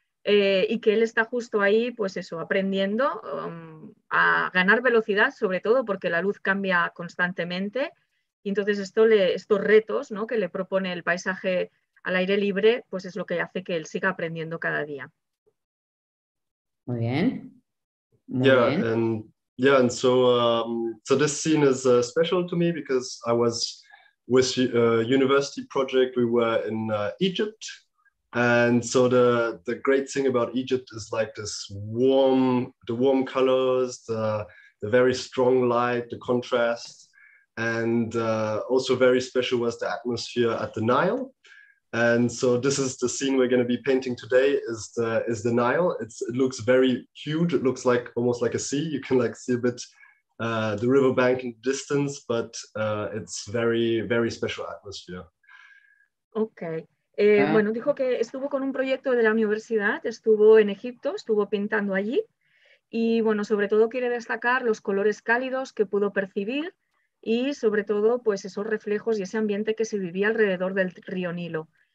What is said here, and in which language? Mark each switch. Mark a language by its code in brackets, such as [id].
[es] Y que él está justo ahí, pues eso, aprendiendo a ganar velocidad, sobre todo porque la luz cambia constantemente. Y entonces estos retos, ¿no?, que le propone el paisaje al aire libre, pues es lo que hace que él siga aprendiendo cada día. Muy bien. [en] So this scene is special to me because I was with a university project. We were in Egypt. And so the great thing about Egypt is like this warm colors, the very strong light, the contrast, and also very special was the atmosphere at the Nile. And so this is the scene we're going to be painting today, is the Nile. It looks very huge. It looks like almost like a sea. You can like see a bit the riverbank in the distance, but it's very, very special atmosphere. Okay. [es] Bueno, dijo que estuvo con un proyecto de la universidad, estuvo en Egipto, estuvo pintando allí y bueno, sobre todo quiere destacar los colores cálidos que pudo percibir y sobre todo pues esos reflejos y ese ambiente que se vivía alrededor del río Nilo.